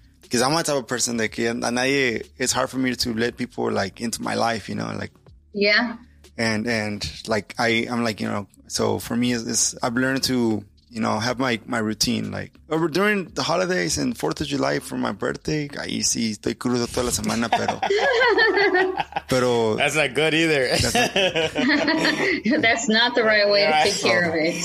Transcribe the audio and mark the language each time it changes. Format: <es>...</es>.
<en>Cause I'm that type of person that can, and I, it's hard for me to let people like into my life, you know, like, and like, I'm like, you know, so for me, it's I've learned to, you know, have my, routine, like over during the holidays and 4th of July for my birthday. I see,</en> <es>estoy crudo toda la semana, pero, pero</es> <en>that's not good either. That's not the right way to take care of it.</en>